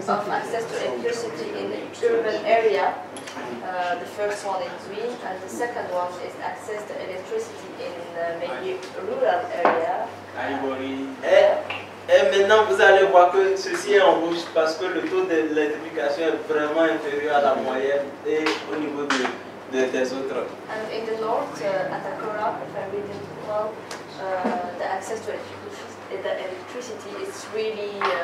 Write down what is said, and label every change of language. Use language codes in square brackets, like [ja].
[en] Access to electricity in the urban area. The first one in green, and the second one is access to electricity in maybe rural area. Ivory. [fr] Et maintenant, vous allez voir que ceci est en rouge parce que le taux de l'électrification est vraiment inférieur à la moyenne et au niveau des autres. [en] And in the north, at Akora, if I read it well, the access to electricity is really